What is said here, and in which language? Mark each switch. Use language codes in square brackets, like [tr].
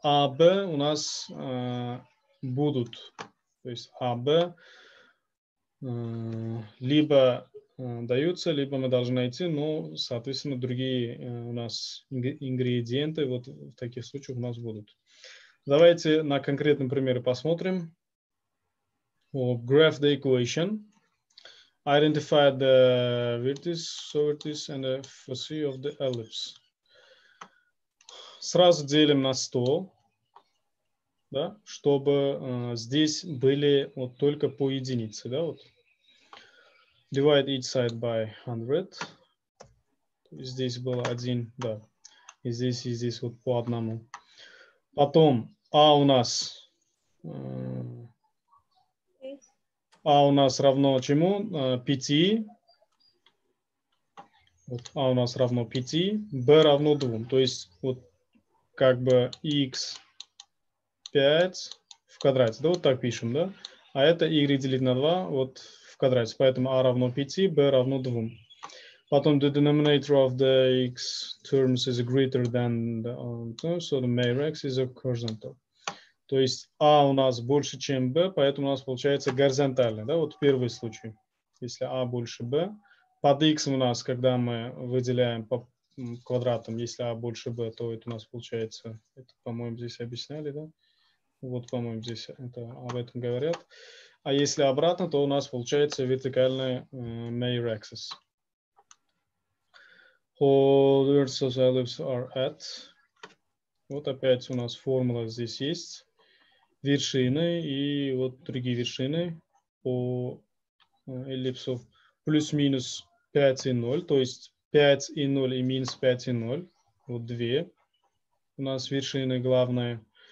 [ru] АБ у нас будут, то есть АБ либо даются, либо мы должны найти, но, соответственно, другие у нас ингредиенты вот в таких случаях у нас будут. Давайте на конкретном примере посмотрим. [en] Oh, graph the equation, identify the vertices, subvertices, and the foci of the ellipse. [ru] Сразу делим на 100, да, чтобы здесь были вот только по единице, да, вот. [en] Divide each side by 100. [ru] Здесь было 1, да. И здесь вот по одному. Потом а у нас а у нас равно чему? 5. Вот а у нас равно 5. Б равно 2. То есть вот как бы x 5 в квадрате. Да, вот так пишем, да? А это y делить на 2 вот в квадрате. Поэтому а равно 5, b равно 2. Потом [en] the denominator of the x terms is greater than the, so the major axis is a horizontal. [ru] То есть А у нас больше, чем Б, поэтому у нас получается горизонтально. Да? Вот первый случай, если А больше Б. Под Х у нас, когда мы выделяем по квадратам, если А больше Б, то это у нас получается, это, по-моему, здесь объясняли, да? Вот, по-моему, здесь это, об этом говорят. А если обратно, то у нас получается вертикальный major axis. [en] All the vertices of the ellipse are at. [ru] Вот опять у нас формула здесь есть. Вершины и вот другие вершины по эллипсу плюс-минус 5 и 0, то есть 5 и 0 и минус 5 и 0, вот две у нас вершины главные.